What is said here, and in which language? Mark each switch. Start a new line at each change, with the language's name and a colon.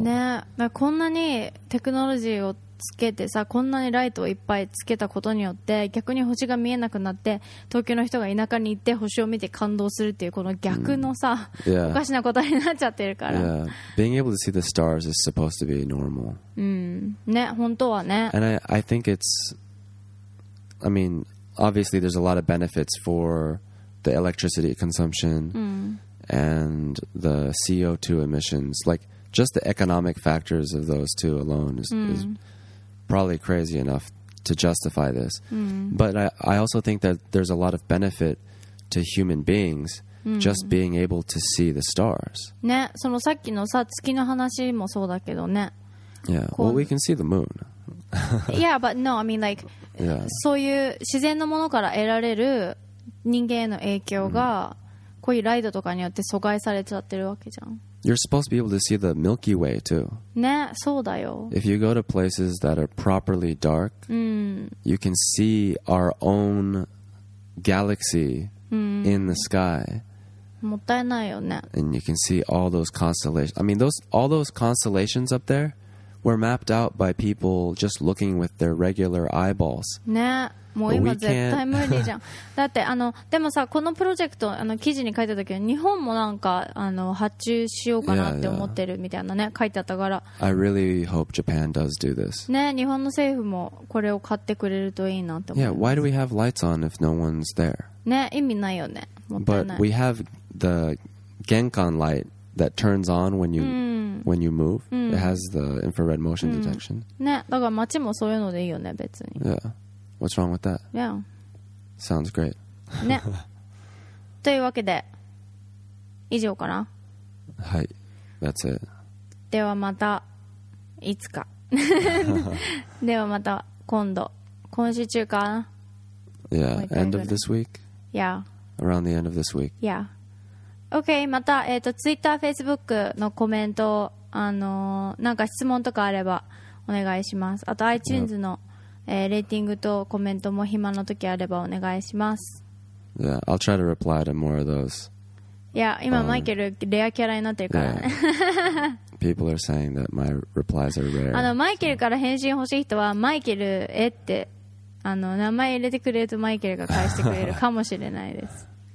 Japanese: ね、だこんなにテクノロジーをつけてさ、こんなにライトをいっぱいつけたことによって逆に星が見えなくなって、東京の人が田舎に行って星を見て感動するっていうこの逆のさ、mm.
English: yeah.
Japanese: おかしなことになっちゃってるから、
English: yeah. Being able to see the stars is supposed to be normal、
Japanese: ね、本当はね。
English: And I think it's I mean obviously there's a lot of benefits for the electricity consumption、 mm. and the CO2 emissions, like just the economic factors of those two alone is、mm. isprobably crazy enough to justify this、 mm. but I also think that there's a lot of benefit to human beings、mm. just being able to see the stars
Japanese: ね、そのさっきのさ月の話もそうだけどね。
English: Yeah, well we can see the moon. Yeah, but no, I mean like、 yeah.
Japanese: そういう自然のものから得られる人間への影響が、mm. こういうライドとかによって阻害されちゃってるわけじゃん。
English: You're supposed to be able to see the Milky Way too.
Japanese: ね、そうだよ。
English: If you go to places that are properly dark,、
Japanese: うん、
English: you can see our own galaxy、
Japanese: うん、
English: in the sky.
Japanese: もったいないよね。
English: And you can see all those constellations. I mean, all those constellations up there were mapped out by people just looking with their regular eyeballs.
Japanese: ね、もう今絶対無理じゃん。だってあのでもさ、このプロジェクト、あの記事に書いてた時に日本もなんかあの発注しようかなって思ってるみたいなね、書いてあったから。
English: I really hope Japan does do this.
Japanese: ね、日本の政府もこれを買ってくれるといいなって思う。
English: Yeah, why do we have lights on if no one's there?
Japanese: ね、意味ないよね、もったいない。
English: But we have the 玄関 light that turns on when you、
Japanese: うん、
English: when you move、うん、it has the infrared motion detection、
Japanese: うん、ね、だから街もそういうのでいいよね別に。
English: Yeah. What's wrong with that? Yeah. Sounds great.
Japanese: ね。というわけで、以上かな。はい。
English: That's it.
Japanese: ではまた、いつか。ではまた、今度。今週中かな。
English: Yeah. End of this week? Yeah. Around the end of this week. Yeah. Okay.
Japanese: また、Twitter、Facebook のコメント、なんか質問とかあれば、お願いします。あと、iTunes の、yep. レーティングとコメントも暇の時あればお願いします。
English: Yeah, I'll try to reply to more of those.
Japanese: Yeah, 今マイケルレアキャラになってるからね、yeah.
English: People are saying that my replies are rare.
Japanese: あのマイケルから返信欲しい人はマイケルえってあの名前入れてくれるとマイケルが返してくれるかもしれないです。